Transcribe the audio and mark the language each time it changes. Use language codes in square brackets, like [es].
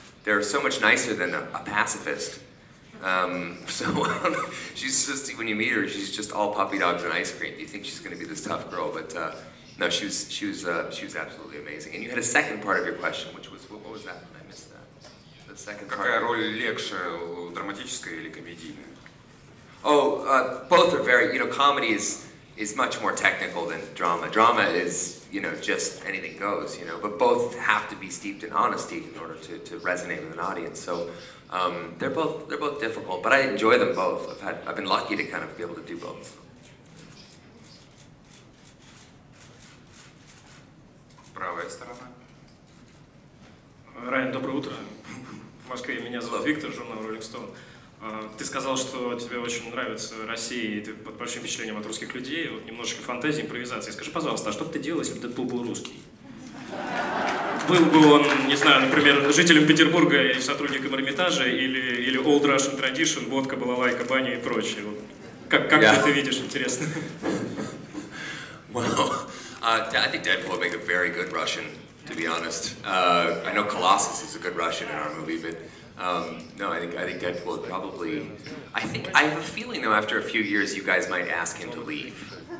[en] They're so much nicer than a pacifist. So she's just, when you meet her, she's just all puppy dogs and ice cream. You think she's going to be this tough girl, but no, she was absolutely amazing. And you had a second part of your question, which was, what was that? I missed that. The second part. [ru] Какая роль легче, драматическая или комедийная? [en] Oh, both are very, you know, comedy is much more technical than drama. Drama is, you know, just anything goes, you know, but both have to be steeped in honesty in order to resonate with an audience. So they're both difficult, but I enjoy them both. I've been lucky to kind of be able to do both. [ru] Правая сторона. Райан, доброе утро. В Москве меня зовут Виктор, журнал Rolling Stone. Ты сказал, что тебе очень нравится Россия, и ты под большим впечатлением от русских людей. Вот немножечко фантазии, импровизации. Скажи, пожалуйста, а что бы ты делал, если бы Deadpool был русский? Был бы он, не знаю, например, жителем Петербурга и сотрудником Эрмитажа, или [en] Old Russian Tradition, [ru] водка, балалайка, баня и прочее. Вот. Как yeah. ты это видишь, интересно? [en] Well, I think Deadpool would make a very good Russian, to be honest. I know Colossus is a good Russian in our movie, but no, I think Deadpool would probably... I have a feeling, though, after a few years, you guys might ask him to leave.